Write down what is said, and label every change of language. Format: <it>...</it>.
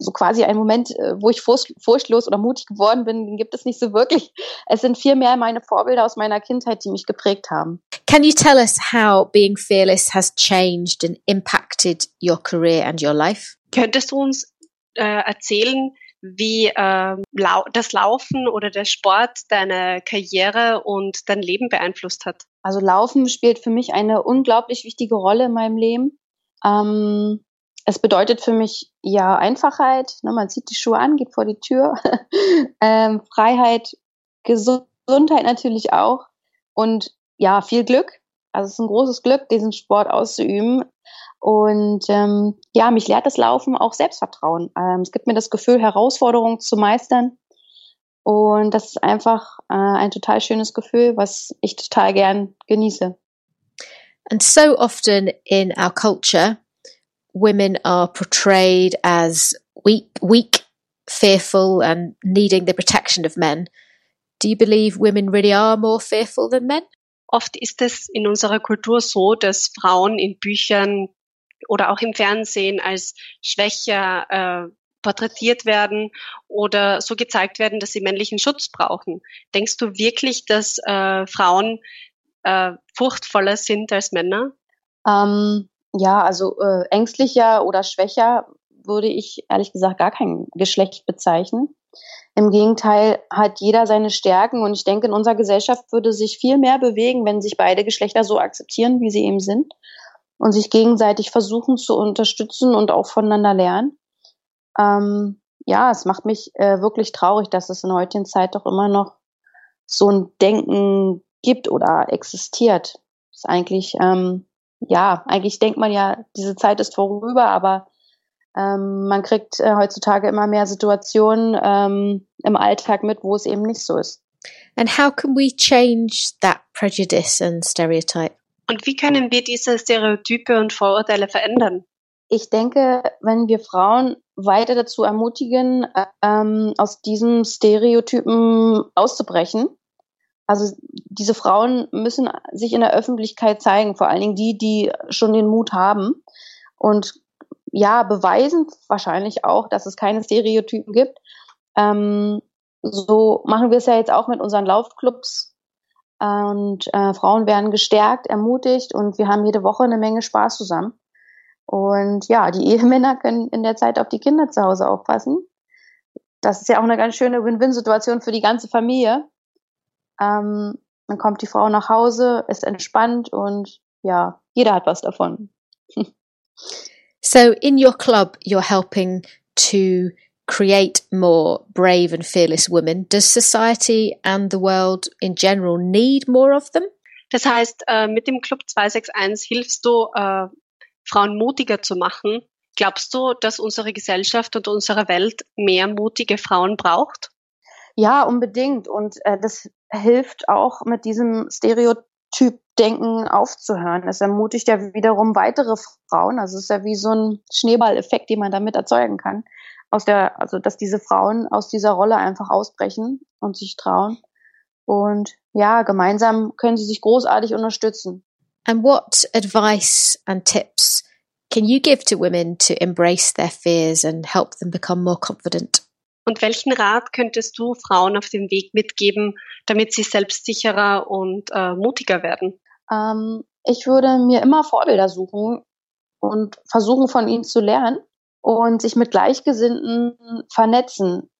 <de>Wo ich furchtlos oder mutig geworden bin, den gibt es nicht so wirklich. Es sind vielmehr meine Vorbilder aus meiner Kindheit, die mich geprägt haben.</de> <en>Can you tell us how being fearless has changed and impacted your career and your life?</en> <de>Könntest du uns erzählen, wie das Laufen oder der Sport deine Karriere und dein Leben beeinflusst hat? Also Laufen spielt für mich eine unglaublich wichtige Rolle in meinem Leben. Es bedeutet für mich ja Einfachheit, ne, man zieht die Schuhe an, geht vor die Tür, Freiheit, Gesundheit natürlich auch und ja, viel Glück. Also es ist ein großes Glück, diesen Sport auszuüben und ja, mich lehrt das Laufen auch Selbstvertrauen. Es gibt mir das Gefühl, Herausforderungen zu meistern und das ist einfach ein total schönes Gefühl, was ich total gern genieße.</de> <en>And so often in our culture, women are portrayed as weak, fearful and needing the protection of men. Do you believe women really are more fearful than men?</en> <de>Oft ist es in unserer Kultur so, dass Frauen in Büchern oder auch im Fernsehen als schwächer porträtiert werden oder so gezeigt werden, dass sie männlichen Schutz brauchen. Denkst du wirklich, dass Frauen furchtvoller sind als Männer? Ja, also ängstlicher oder schwächer würde ich ehrlich gesagt gar kein Geschlecht bezeichnen. Im Gegenteil hat jeder seine Stärken und ich denke, in unserer Gesellschaft würde sich viel mehr bewegen, wenn sich beide Geschlechter so akzeptieren, wie sie eben sind und sich gegenseitig versuchen zu unterstützen und auch voneinander lernen. Ja, es macht mich wirklich traurig, dass es in heutigen Zeit doch immer noch so ein Denken gibt oder existiert. Das ist eigentlich ja, eigentlich denkt man ja, diese Zeit ist vorüber, aber man kriegt heutzutage immer mehr Situationen im Alltag mit, wo es eben nicht so ist.</de> <en>And how can we change that prejudice and stereotype?</en> <de>Und wie können wir diese Stereotype und Vorurteile verändern? Ich denke, wenn wir Frauen weiter dazu ermutigen, aus diesen Stereotypen auszubrechen. Also diese Frauen müssen sich in der Öffentlichkeit zeigen, vor allen Dingen die, die schon den Mut haben und ja, beweisen wahrscheinlich auch, dass es keine Stereotypen gibt. So machen wir es ja jetzt auch mit unseren Laufclubs und Frauen werden gestärkt, ermutigt und wir haben jede Woche eine Menge Spaß zusammen. Und ja, die Ehemänner können in der Zeit auf die Kinder zu Hause aufpassen. das ist ja auch eine ganz schöne Win-Win-Situation für die ganze Familie. Dann kommt die Frau nach Hause, ist entspannt und ja, jeder hat was davon.</de> <en>So in your club, you're helping to create more brave and fearless women. Does society and the world in general need more of them?</en> <de>Das heißt, mit dem Club 261 hilfst du, Frauen mutiger zu machen. Glaubst du, dass unsere Gesellschaft und unsere Welt mehr mutige Frauen braucht? Ja, unbedingt. Und das hilft auch, mit diesem Stereotyp-Denken aufzuhören. Es ermutigt ja wiederum weitere Frauen. Also es ist ja wie so ein Schneeballeffekt, den man damit erzeugen kann. Also dass diese Frauen aus dieser Rolle einfach ausbrechen und sich trauen. Und ja, gemeinsam können sie sich großartig unterstützen.</de> <en>And what advice and tips can you give to women to embrace their fears and help them become more confident?</en> <de>Und welchen Rat könntest du Frauen auf dem Weg mitgeben, damit sie selbstsicherer und mutiger werden? Ich würde mir immer Vorbilder suchen und versuchen, von ihnen zu lernen und sich mit Gleichgesinnten vernetzen.</de>